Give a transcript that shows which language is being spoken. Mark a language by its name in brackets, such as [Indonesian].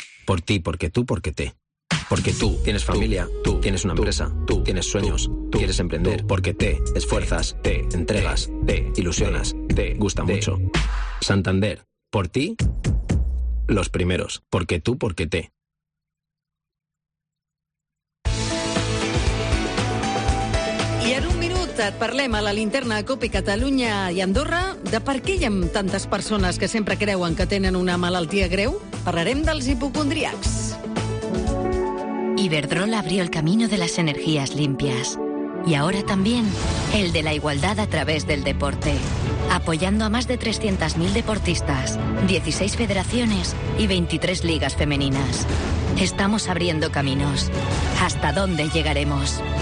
[Spanish] Por ti, porque tú, porque te. Porque tú tienes familia, tú tienes una empresa, tú tienes sueños, tú quieres emprender. Porque te esfuerzas, te entregas, te ilusionas, te gusta mucho. Santander, por ti... Los primeros, porque tú, porque te. [Catalan] I en un minut et parlem a la Linterna COPE Catalunya i Andorra de per què hi ha tantes persones que sempre creuen que tenen una malaltia greu. Parlarem dels hipocondriacs. [Spanish] Iberdrola abrió el camino de las energías limpias. Y ahora también el de la igualdad a través del deporte. Apoyando a más de 300.000 deportistas, 16 federaciones y 23 ligas femeninas. Estamos abriendo caminos. ¿Hasta dónde llegaremos?